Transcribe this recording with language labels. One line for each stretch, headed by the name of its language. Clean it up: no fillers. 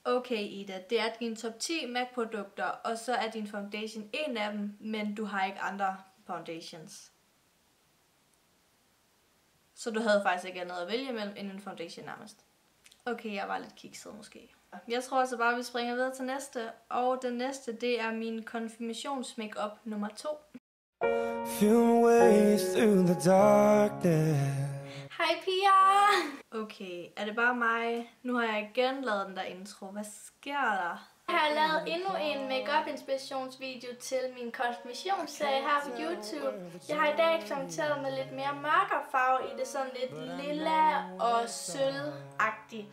Danish: Okay, Ida, det er dine top 10 MAC-produkter, og så er din foundation en af dem, men du har ikke andre foundations. Så du havde faktisk ikke andet at vælge mellem end en foundation nærmest. Okay, jeg var lidt kikset måske. Jeg tror altså bare, vi springer videre til næste. Og den næste, det er min konfirmations-makeup nummer 2.
English: Feel my way through the darkness.
Danish: Hej Pia! Okay, er det bare mig? Nu har jeg igen lavet den der intro. Hvad sker der? Jeg har lavet endnu en makeup inspirationsvideo til min konfirmationsserie her på YouTube. Jeg har i dag eksperimenteret med lidt mere mørkere farver i det. Sådan lidt lilla og sølv-agtigt.